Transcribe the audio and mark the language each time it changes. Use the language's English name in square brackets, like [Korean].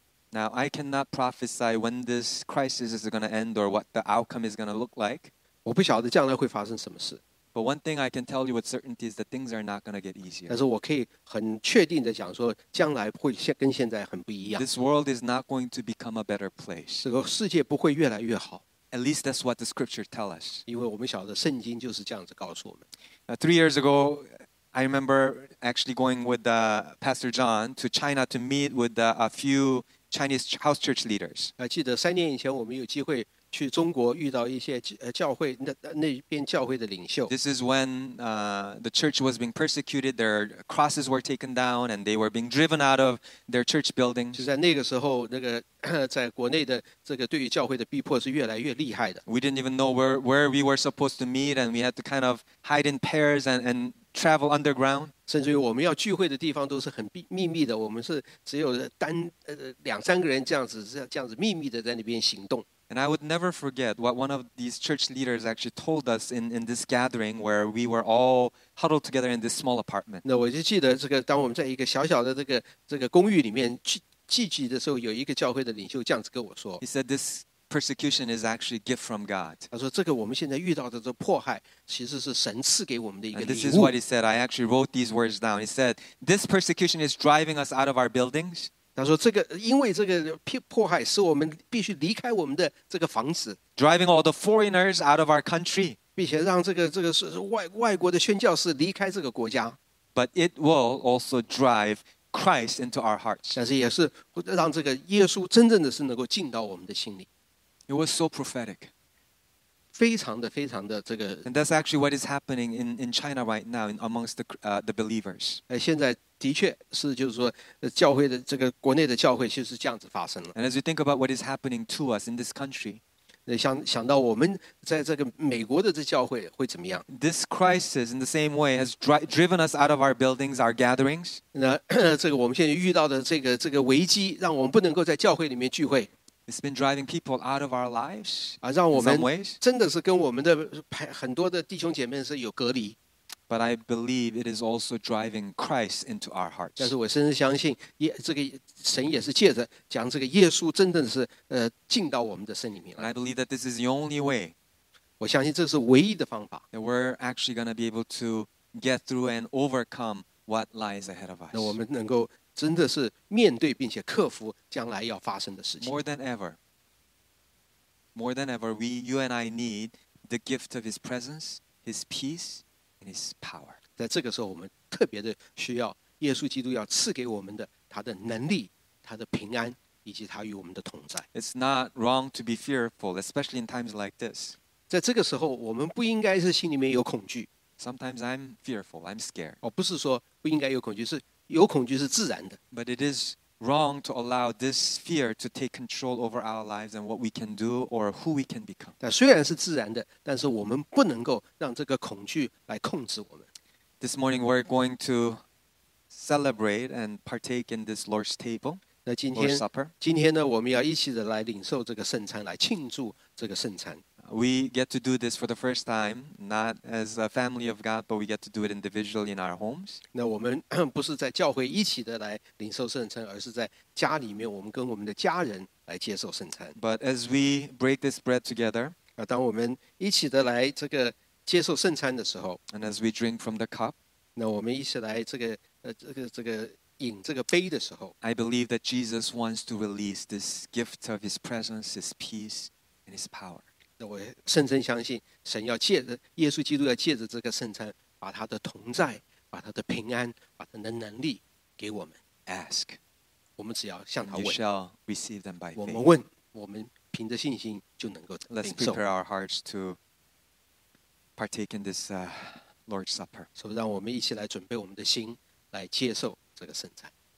[English] Now, I cannot prophesy when this crisis is going to end or what the outcome is going to look like. [Chinese] 我不晓得将来会发生什么事。 [English] But one thing I can tell you with certainty is that things are not going to get easier. [Chinese] 但是我可以很确定地讲说将来会跟现在很不一样。 [English] This world is not going to become a better place. [Chinese] 这个世界不会越来越好。 [English] At least that's what the scripture tells us. [Chinese] 因为我们晓得圣经就是这样子告诉我们。 [English] 3 years ago, I remember actually going with Pastor John to China to meet with a few Chinese house church leaders. [Chinese] 记得三年以前我们有机会去中国遇到一些教会 那边教会的领袖。 [English] This is when the church was being persecuted. Their crosses were taken down, and they were being driven out of their church buildings. [Chinese] 就在那个时候，那个在国内的这个对于教会的逼迫是越来越厉害的。 [English] We didn't even know where we were supposed to meet, and we had to kind of hide in pairs and travel underground. [Chinese] 甚至于我们要聚会的地方都是很秘密的。我们是只有两三个人这样子秘密的在那边行动。 [English] And I would never forget what one of these church leaders actually told us in this gathering where we were all huddled together in this small apartment. [Chinese] 那我就记得这个，当我们在一个小小的这个公寓里面聚集的时候，有一个教会的领袖这样子跟我说。 [English] He said this persecution is actually a gift from God. [Chinese] 他说这个我们现在遇到的这迫害，其实是神赐给我们的一个礼物。 [English] And this is what he said. I actually wrote these words down. He said this persecution is driving us out of our buildings. [Chinese] 他说这个因为这个迫害使我们必须离开我们的这个房子。 [English] Driving all the foreigners out of our country. [Chinese] 并且让这个外国的宣教士离开这个国家。 [English] But it will also drive Christ into our hearts. [Chinese] 但是也是让这个耶稣真正的是能够进到我们的心里。 [English] It was so prophetic. [Chinese] 非常的非常的这个。 [English] And that's actually what is happening in China right now amongst the believers. [Chinese] 现在的确是就是说教会的这个国内的教会就是这样子发生了。 [English] And as you think about what is happening to us in this country, [Chinese] 想到我们在这个美国的这教会会怎么样。 [English] This crisis in the same way has driven us out of our buildings, our gatherings. [Chinese] 那这个我们现在遇到的这个危机让我们不能够在教会里面聚会。 [English] It's been driving people out of our lives, [Chinese] 让我们真的是跟我们的很多的弟兄姐妹是有隔离。 [English] But I believe it is also driving Christ into our hearts. [Chinese] 但是我深深相信，神也是借着将这个耶稣真正是进到我们的身里面。 [English] And I believe that this is the only way. [Chinese] 我相信这是唯一的方法。 [English] That we're actually going to be able to get through and overcome what lies ahead of us. [Chinese] 那我们能够真的是面对并且克服将来要发生的事情。 [English] More than ever, you and I need the gift of His presence, His peace. His power. [Chinese] 在这个时候我们特别的需要耶稣基督要赐给我们的他的能力他的平安以及他与我们的同在。 [English] It's not wrong to be fearful, especially in times like this. [Chinese] 在这个时候，我们不应该是心里面有恐惧。 [English] Sometimes I'm fearful, I'm scared. [Chinese] 哦，不是说不应该有恐惧，是有恐惧是自然的。 [English] But it is wrong to allow this fear to take control over our lives and what we can do or who we can become. [Chinese] 但虽然是自然的，但是我们不能够让这个恐惧来控制我们。 [English] This morning we're going to celebrate and partake in this Lord's table. [Chinese] 那今天 [English] Lord's Supper. [Chinese] 今天呢我们要一起的来领受这个圣餐，来庆祝这个圣餐。 [English] We get to do this for the first time, not as a family of God, but we get to do it individually in our homes. [Chinese] 那我们不是在教会一起的来领受圣餐，而是在家里面我们跟我们的家人来接受圣餐。 [English] But as we break this bread together, [Chinese] 当我们一起的来这个接受圣餐的时候， [English] and as we drink from the cup, [Chinese] 那我们一起来这个饮这个杯的时候， [English] I believe that Jesus wants to release this gift of his presence, his peace, and his power. [Chinese] 那我深深相信神要借着耶稣基督要借着这个圣餐把他的同在，把他的平安，把他的能力给我们。 [English] Ask, [Chinese] 我们只要向他问， [English] you shall receive them by faith. [Chinese] 我们问，我们凭着信心就能够领受。 [English] Let's prepare our hearts to partake in this Lord's Supper. [Chinese] 所以让我们一起来准备我们的心来接受这个圣餐。